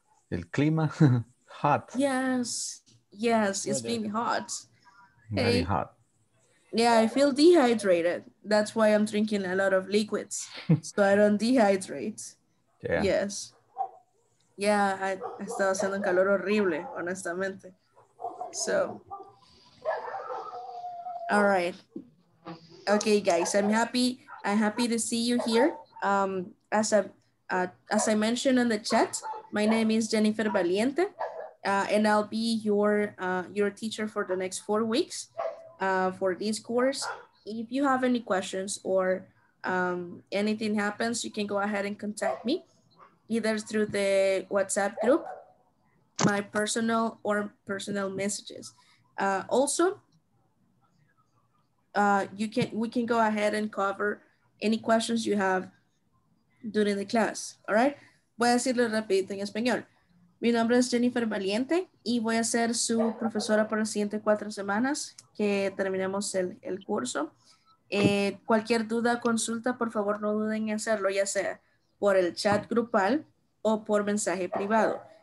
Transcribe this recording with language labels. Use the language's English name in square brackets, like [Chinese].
[English] The clima, hot. Yes, it's been hot. Very hot. Yeah, I feel dehydrated. That's why I'm drinking a lot of liquids, so I don't dehydrate. Yeah. Yes. Yeah, I [Spanish] estaba haciendo un calor horrible, honestamente. [English] So, all right. Okay, guys, I'm happy to see you here. As I mentioned in the chat, my name is Jennifer Valiente, and I'll be your teacher for the next 4 weeks for this course. If you have any questions or anything happens, you can go ahead and contact me, either through the WhatsApp group, my personal messages. Also, we can go ahead and cover any questions you have during the class, all right? [Spanish] Voy a decirlo rapidito en español. Mi nombre es Jennifer Valiente y voy a ser su profesora por las siguientes 4 semanas que terminemos el curso. Cualquier duda, consulta, por favor, no duden en hacerlo, ya sea por el chat grupal o por mensaje privado.